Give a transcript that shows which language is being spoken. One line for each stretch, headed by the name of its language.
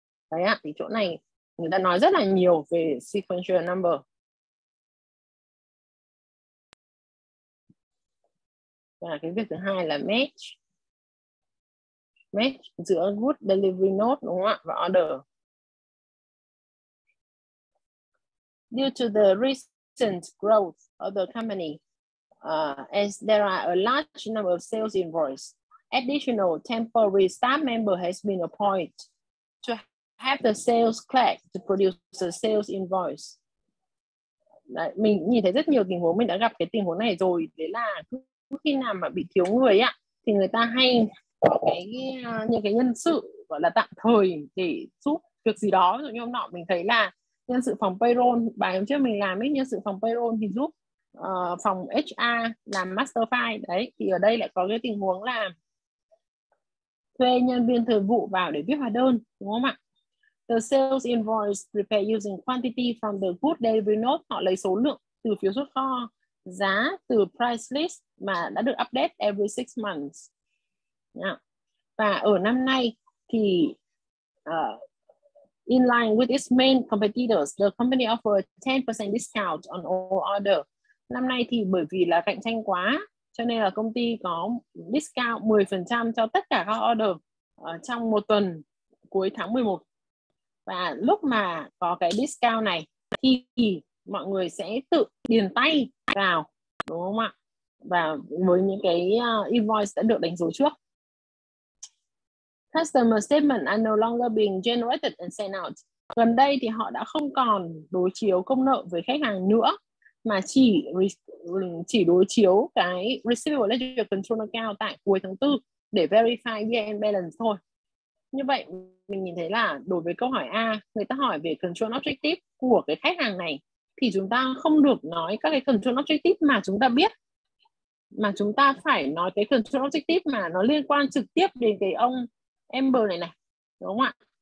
Vietnamese: Đấy ạ, thì chỗ này người ta nói rất là nhiều về sequential number. Và cái việc thứ hai là match. Match giữa good delivery note, đúng không ạ, và order.
English: Due to the recent growth of the company, as there are a large number of sales invoices, additional temporary staff member has been appointed to have the sales clerk to produce the sales invoice.
Vietnamese: Đấy, mình nhìn thấy rất nhiều tình huống, mình đã gặp cái tình huống này rồi, đấy là khi nào mà bị thiếu người á thì người ta hay có cái những cái nhân sự gọi là tạm thời để giúp việc gì đó. Ví dụ như hôm nọ mình thấy là nhân sự phòng payroll, bài hôm trước mình làm ấy, nhân sự phòng payroll thì giúp phòng HR làm master file. Đấy, thì ở đây lại có cái tình huống là thuê nhân viên thời vụ vào để viết hóa đơn, đúng không ạ?
English: The sales invoice prepared using quantity from the good delivery note.
Vietnamese: Họ lấy số lượng từ phiếu xuất kho, giá từ price list mà đã được
English: update every 6 months.
Vietnamese: Và ở năm nay thì
English: in line with its main competitors, the company offered 10% discount on all order.
Vietnamese: Năm nay thì bởi vì là cạnh tranh quá, cho nên là công ty có discount 10% cho tất cả các order trong một tuần cuối tháng 11. Và lúc mà có cái discount này thì mọi người sẽ tự điền tay vào, đúng không ạ? Và với những cái invoice đã được đánh dấu trước.
English: Customer statement are no longer being generated and sent out.
Vietnamese: Gần đây thì họ đã không còn đối chiếu công nợ với khách hàng nữa, mà chỉ đối chiếu cái receivable ledger control account tại cuối tháng 4 để
English: verify year-end balance
Vietnamese: thôi. Như vậy mình nhìn thấy là đối với câu hỏi A, người ta hỏi về control objective của cái khách hàng này, thì chúng ta không được nói các cái control objective mà chúng ta biết, mà chúng ta phải nói cái control objective mà nó liên quan trực tiếp đến cái ông Amber này này, đúng không ạ?